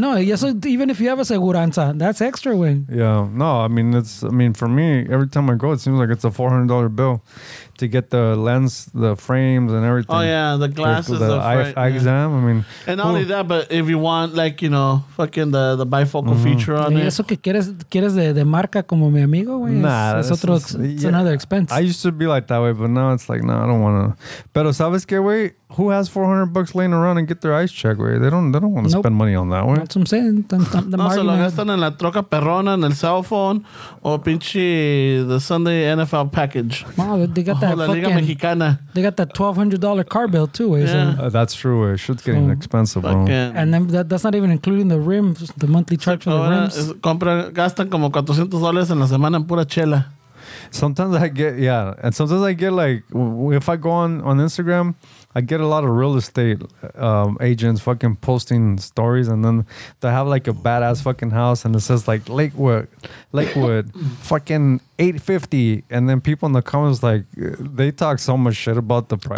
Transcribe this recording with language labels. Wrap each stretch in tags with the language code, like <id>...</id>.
<en>No, yeah, so even if you have a seguranza, that's extra win. Yeah, no, I mean, for me, every time I go, it seems like it's a $400 bill. To get the lens, the frames, and everything. Oh yeah, the glasses, the eye exam. I mean, and not only that, but if you want, like, you know, fucking the bifocal feature on it.</en> <es>Eso que quieres de marca como mi amigo, güey.</es> <en>Nah, it's another expense. I used to be like that way, but now it's like, no, I don't want to.</en> <es>Pero sabes que,</es> <en>güey, who has $400 laying around and get their eyes checked, güey? They don't want to spend money on that, güey. That's what I'm saying.</en> <es>The no, se lo gastan en la troca perrona, en el cell phone, or pinche</es> <en>the Sunday NFL package. Wow, they got they got that $1,200 car bill too. Yeah. That's true. It shit's getting expensive, bro. And then that's not even including the rims, the monthly charge for the rims.</en> <es>Gastan como $400 en la semana en pura chela.</es> <en>Sometimes I get, yeah. And sometimes I get like, if I go on Instagram, I get a lot of real estate agents fucking posting stories, and then they have like a badass fucking house and it says like Lakewood fucking 850. And then people in the comments, like, they talk so much shit about the price.</en>